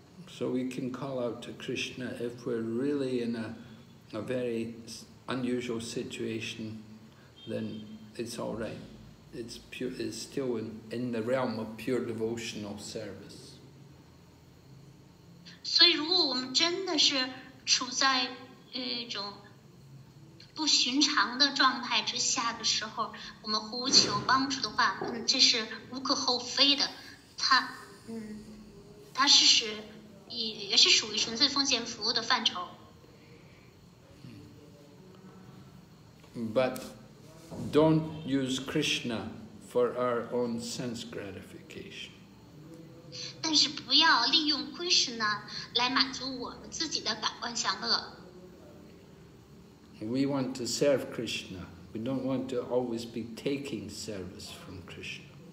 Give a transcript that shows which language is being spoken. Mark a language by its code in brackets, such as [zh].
[en] So we can call out to Krishna if we're really in a very unusual situation, then it's all right. It's pure. It's still in the realm of pure devotional service. [zh] 所以，如果我们真的是处在一种 不寻常的状态之下的时候，我们呼求帮助的话，这是无可厚非的。它是也是属于纯粹奉献服务的范畴。 [en] But don't use Krishna for our own sense gratification. [zh] 但是不要利用 Krishna 来满足我们自己的感官享乐。 [en] We want to serve Krishna. We don't want to always be taking service from Krishna.